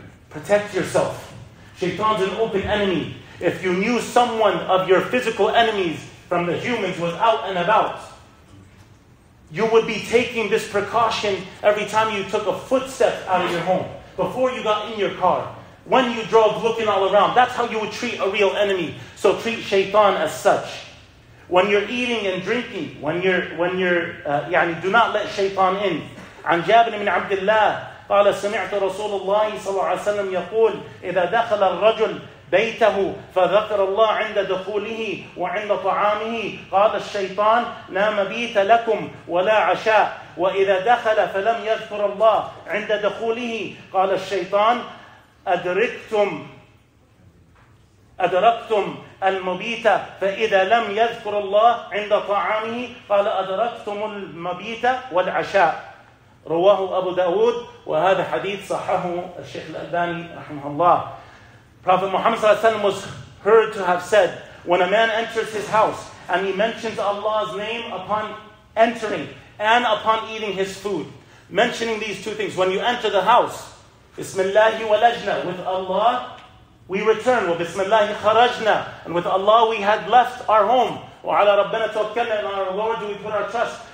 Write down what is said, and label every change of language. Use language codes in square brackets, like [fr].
[en] Protect yourself. Shaitan's an open enemy. If you knew someone of your physical enemies from the humans was out and about, you would be taking this precaution every time you took a footstep out of your home. Before you got in your car, when you drove, looking all around, that's how you would treat a real enemy. So treat Shaytan as such. When you're eating and drinking, when you're, do not let Shaytan in. [ar] عن جابر بن عبد الله قال سمعت رسول الله صلى الله عليه وسلم يقول إذا دخل الرجل بيته فذكر الله عند دخوله وعند طعامه قال الشيطان لا مبيت لكم ولا عشاء وإذا دخل فلم يذكر الله عند دخوله قال الشيطان أدركتم أدركتم المبيت فإذا لم يذكر الله عند طعامه قال أدركتم المبيت والعشاء رواه أبو داود وهذا حديث صححه الشيخ الألباني رحمه الله. [en] Prophet Muhammad [ar] صلى الله عليه وسلم [en] was heard to have said, when a man enters his house and he mentions Allah's name upon entering and upon eating his food, mentioning these two things, when you enter the house, [ar] Bismillahi walajna, [en] with Allah we return, with [ar] Bismillahi kharajna, [en] and with Allah we had left our home, [ar] wa ala rabbana tawakkalna, [en] and on our Lord do we put our trust.